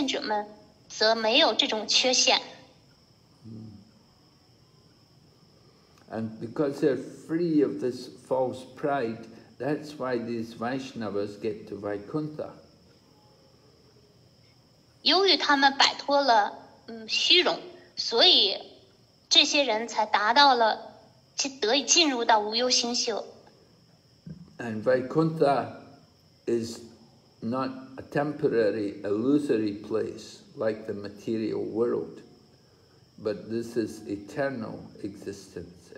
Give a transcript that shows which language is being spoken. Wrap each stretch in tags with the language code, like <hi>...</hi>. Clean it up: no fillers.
<zh>根据主师傅自己的观点，主师傅还要受到假我的影响，但是Vaikuntha的奉献者们则没有这种缺陷。</zh> <en>And because they're free of this false pride, that's why these Vaishnavas get to Vaikuntha.</en> <zh>由于他们摆脱了虚荣，所以这些人才达到了，得以进入到无忧星宿。</zh> <en>And Vaikuntha is not a temporary, illusory place like the material world, but this is eternal existence.</en>